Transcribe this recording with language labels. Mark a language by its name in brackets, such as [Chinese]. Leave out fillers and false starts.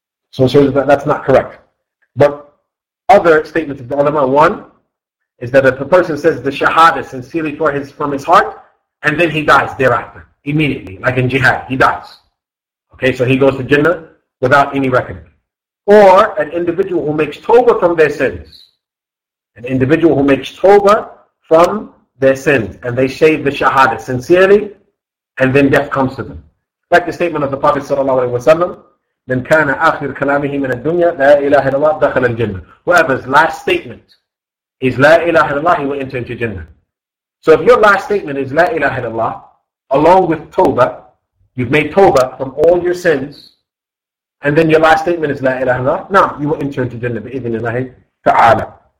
[English] So it shows that that's not correct. But other statements of the ulama, one is that if a person says the shahada sincerely for his, from his heart, and then he dies thereafter, immediately, like in jihad, he dies. Okay, so he goes to Jannah without any reckoning. Or an individual who makes tawbah from their sins. An individual who makes tawbah from their sins, and they say the shahada sincerely, and then death comes to them. Like the statement of the Prophet sallallahu alaihi wasallam, [Arabic] من كان آخر كلامه من الدنيا لا إله إلا الله دخل الجنة. [English] Whoever's last statement is لا إله إلا الله, he will enter into Jannah. So if your last statement is لا إله إلا الله, along with tawbah, you've made tawbah from all your sins, and then your last statement is لا إله إلا الله, now you will enter into Jannah بإذن الله تعالى.